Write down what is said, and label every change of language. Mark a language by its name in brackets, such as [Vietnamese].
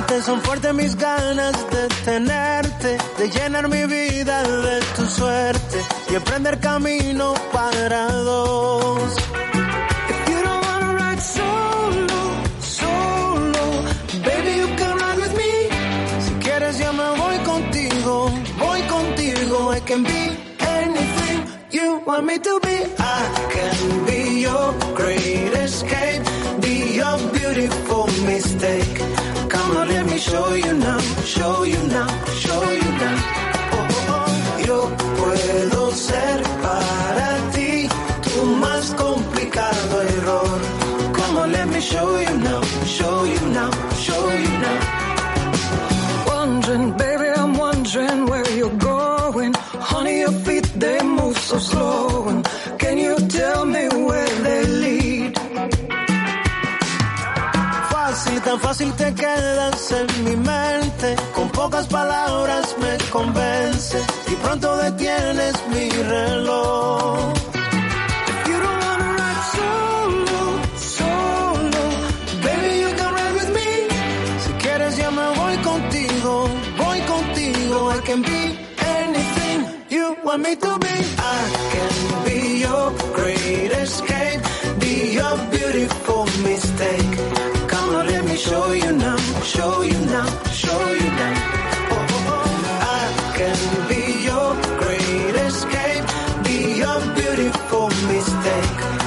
[Spanish] Son fuertes mis ganas de tenerte, de llenar mi vida de tu suerte y emprender camino para dos. [English] If you don't wanna ride solo, solo, baby you can ride with me. [Spanish] Si quieres yo me voy contigo, voy contigo. [English] I can be anything you want me to be. I can be your great escape, be your beautiful mistake. Let me show you now, show you now, show you now. Oh, oh, oh. [Spanish] Yo puedo ser para ti tu más complicado error. [English] Come on, let me show you now, show you now, show you now. Wondering, baby, I'm wondering where you're going. Honey, your feet, they move so slow. Can you tell me where they lead? [Spanish] Tan fácil te quedas en mi mente. Con pocas palabras me convences y pronto detienes mi reloj. [English] If you don't wanna ride solo, solo, baby you can ride with me. [Spanish] Si quieres yo me voy contigo, voy contigo. [English] I can be anything you want me to be. I can be your great escape, be your beautiful mistake. Let me show you now, show you now, show you now. Oh, oh, oh. I can be your great escape, be your beautiful mistake.